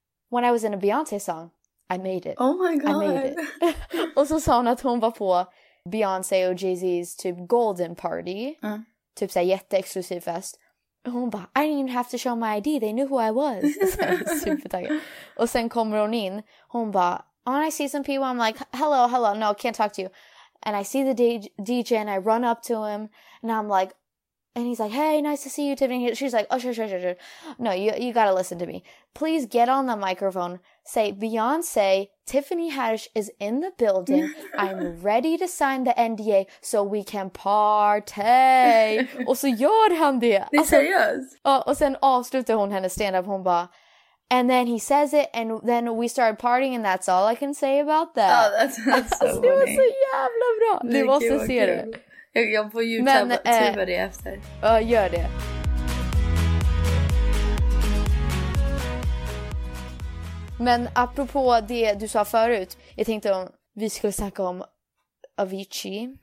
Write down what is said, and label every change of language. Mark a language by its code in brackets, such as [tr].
[en] When I was in a Beyoncé song, I made it. Oh my god. I made it. [sv] Och så sa hon att hon var på Beyoncé och Jay-Z's typ golden party. Typ så här jätteexklusiv fest. Hon bara, [en] I didn't even have to show my ID. They knew who I was. [sv] Supertaggad. Och sen kommer hon in. Hon bara, [en] oh, and I see some people. I'm like, hello. No, can't talk to you. And I see the DJ and I run up to him. And I'm like, and he's like, hey, nice to see you, Tiffany. She's like, oh, sure. No, you gotta listen to me. Please get on the microphone. Say, Beyoncé, Tiffany Haddish is in the building. I'm ready to sign the NDA so we can party. [sv] Och så gör han det. Det är seriöst. Och sen avslutar hon hennes stand-up. Hon bara, [en] and then he says it, and then we started partying, and that's all I can say about that. Oh, that's so funny. [sv] Det var så jävla bra. Du måste se det. Jag får ju tuba det efter. Ja, gör det. Men apropå det du sa förut, jag tänkte om vi skulle snacka om Avicii.